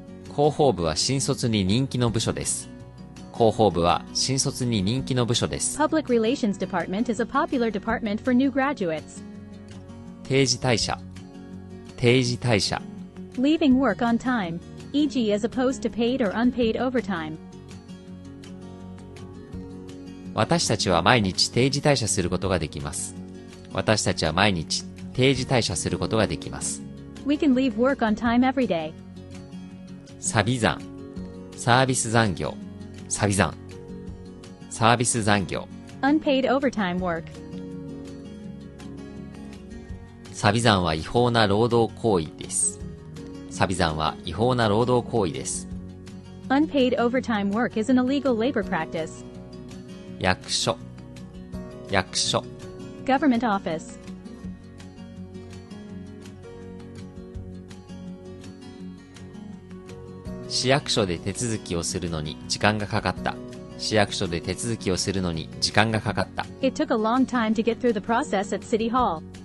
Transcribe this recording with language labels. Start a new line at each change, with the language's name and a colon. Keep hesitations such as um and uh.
Japanese: 広報部は新卒に人気の部署です。広報部は新卒に人気の部署です。
English: Public Relations Department is a popular department for new graduates.
Japanese: 定時代謝。定時代謝。
English: Leaving work on time, e.g. as opposed to paid or unpaid overtime.
Japanese: 私たちは毎日定時退社することができます。私たちは毎日定時退社することができます。
English: We can leave work on time every day.
Japanese: サビ残サービス残業サビ残サービス残業
English: Unpaid overtime work.
Japanese: サビ残は違法な労働行為です。サビ残は違法な労働行為です。
English: Unpaid overtime work is an illegal labor practice.
Japanese: 役所役所
English: Government office
Japanese: 市役所で手続きをするのに時間がかかった市役所で手続きをするのに時間がかかった
English: It took a long time to get through the process at City Hall